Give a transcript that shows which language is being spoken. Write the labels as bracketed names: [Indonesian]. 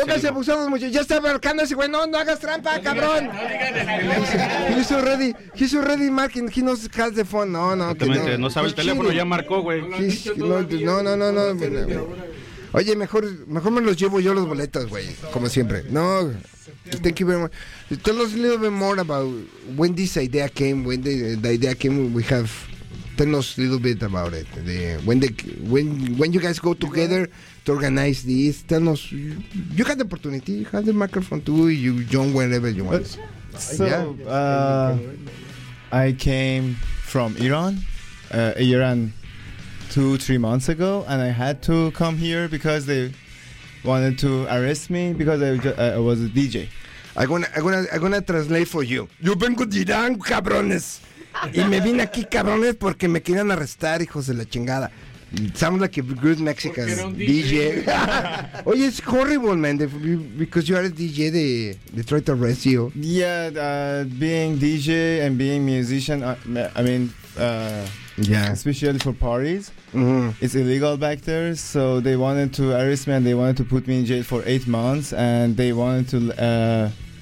[Spanish] Pónganse abusados, muchachos. Ya está marcando ese güey. No hagas trampa, cabrón. [English] He's already marking. He knows has the phone. No. [Spanish] Exactamente. No sabe el teléfono. Ya marcó, güey. No. Oye, mejor me los llevo yo los boletos, güey, como siempre. [English] No, thank you very much. Tell us a little bit more about when this idea came, we have. Tell us a little bit about it. When you guys go together to organize this, tell us. You had the opportunity, you had the microphone too, you join wherever you want. So, yeah? I came from Iran, Iran. 2-3 months ago, and I had to come here because they wanted to arrest me because I was a DJ. I'm gonna translate for you. [Spanish] Yo vengo de Irán, cabrones. Y me vine aquí, cabrones, porque me querían arrestar, hijos de la chingada. [English] Sounds like a good Mexican DJ. Oye, it's horrible, man, because you are a DJ de Detroit Arrecio. Yeah, being DJ and being musician, I mean, especially for parties. Mm-hmm. It's illegal back there, so they wanted to arrest me and they wanted to put me in jail for 8 months, and they wanted to...